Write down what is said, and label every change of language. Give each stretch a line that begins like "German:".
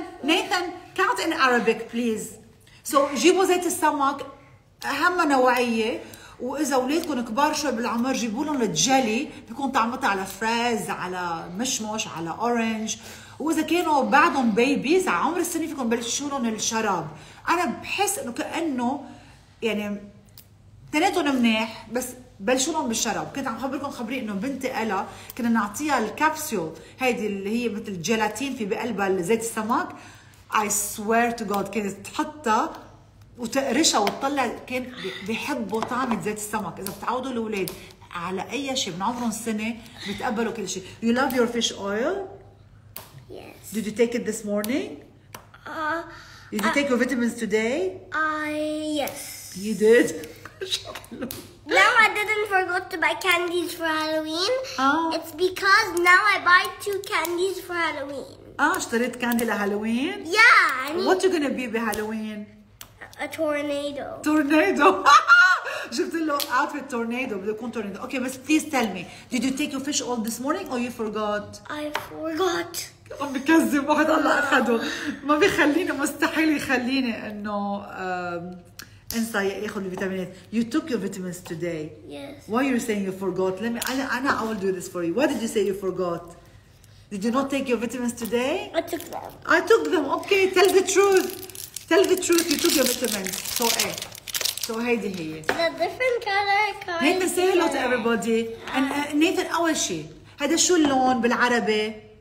English: Nathan, count in Arabic, please.
Arabic: So, جيبوا زيت السمك, أهم نوعية, وإذا أولادكم كبار شوي بالعمر, جيبوا لهم الجيلي, بيكون طعمته على فريز, على مشمش, على أورنج, وإذا كانوا بعدهم بيبيز, عمر السنة فيكم بلشوا لهم الشراب. أنا بحس إنه كأنه, يعني, تناتهم منيح, بس بلشونهم بالشرب. كنت عم خبركم خبري انه بنتي ألا كنا نعطيها الكابسيول هيدي اللي هي مثل جيلاتين في بقلبها زيت السمك.
English: I swear to God
Arabic: كانت تحطها وتقرشها وتطلع, كان بيحبوا طعم زيت السمك. اذا بتعودوا الاولاد على اي شيء من عمرهم سنة بتقبلوا كل شيء.
English: You love your fish oil? Yes. Did you take it this morning? Did you take your vitamins today? Yes. You did? Now I didn't forget to buy candies for Halloween. Oh. It's because now I buy 2 candies for Halloween.
Arabic: Oh, اشتريت كاندي لهالوين؟
English: Yeah. What you gonna be بهالوين? A tornado. Tornado.
Arabic: جبت له outfit tornado. بده يكون tornado.
English: Okay, but please tell me, did you take your fish all this morning or you forgot? I forgot.
Arabic: عم بكذب واحد الله أخده. ما بيخليني, مستحيل يخليني إنه. انسى ياخذ الفيتامينات.
English: You took your vitamins today. Yes. Why you saying you forgot? Let me, Anna, I will do this for you. Why did you say you forgot? Did you not take your vitamins today? I took them. I took them. Okay, tell the truth. Tell the truth. You took your vitamins. So, eh. So, hey, the different color cards. Nathan, say hello to everybody. And Nathan,
Arabic: أول شيء, هذا شو اللون بالعربي؟